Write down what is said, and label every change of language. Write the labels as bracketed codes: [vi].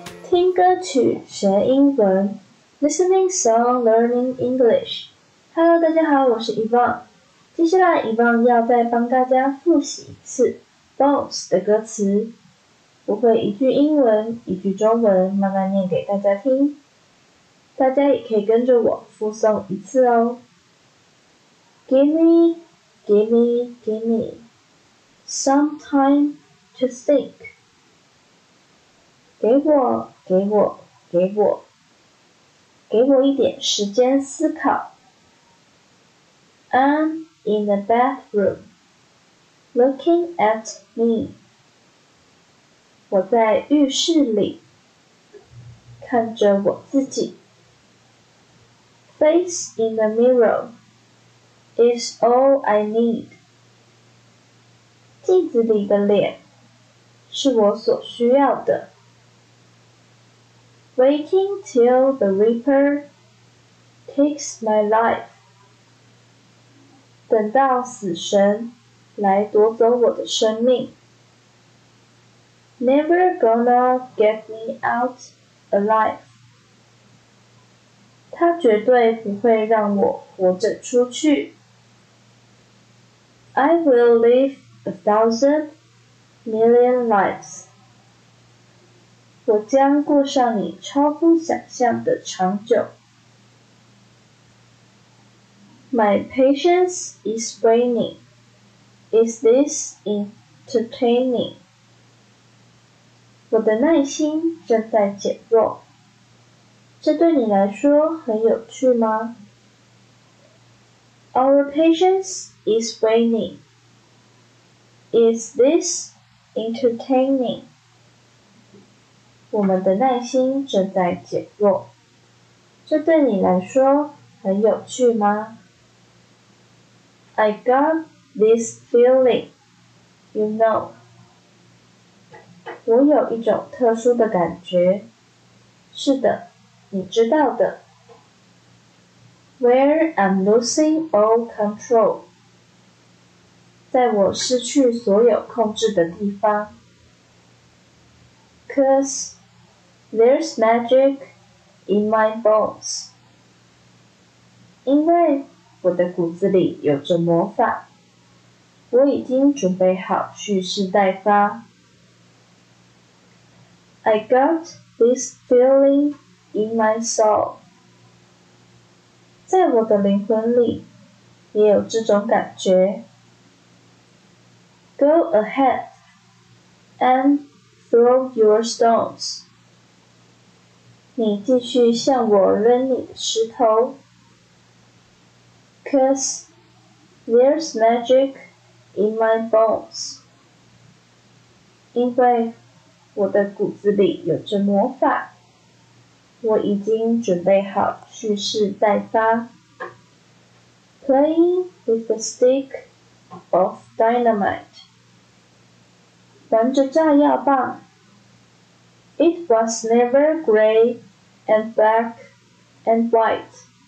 [zh] 曲学英文 [en] Listening Song Learning English。 [zh] Hello 大家好，我是 Yvonne。接下来 Yvonne 要再帮大家复习一次 Bones 的歌词，我会一句英文一句中文慢慢念给大家听，大家也可以跟着我复诵一次哦。 [en] Gimme, gimme, gimme some time to think, [zh] 给我给我给我给我一点时间思考。 [en] I'm in the bathroom looking at me, [zh] 我在浴室里看着我自己。 [en] Face in the mirror is all I need, [zh] 镜子里的脸是我所需要的。 [en] Waiting till the reaper takes my life, [zh] 等到死神来夺走我的生命。 [en] Never gonna get me out alive, [zh] 他绝对不会让我活着出去。 [en] I will live 1,000,000,000 lives, [zh] 我将过上你超乎想象的长久。 [en] My patience is waning, is this entertaining? [zh] 我的耐心正在减弱，这对你来说很有趣吗？ [en] Our patience is waning, is this entertaining? [zh] 我们的耐心正在减弱，这对你来说很有趣吗？ [en] I got this feeling, you know, [zh] 我有一种特殊的感觉，是的，你知道的。 [en] Where I'm losing all control, [zh] 在我失去所有控制的地方。 [en] CauseThere's magic in my bones, [zh] 因为我的骨子里有着魔法，我已经准备好蓄势待发。 [en] I got this feeling in my soul. [zh] 在我的灵魂里也有这种感觉。 [en] Go ahead and throw your stones. [zh] 你继续向我扔你的石头。 [en] 'Cause there's magic in my bones. [zh] 因为我的骨子里有着魔法，我已经准备好蓄势待发。 [en] Playing with the stick of dynamite. [zh] 玩着炸药棒。 [en] It was never gray and black and white.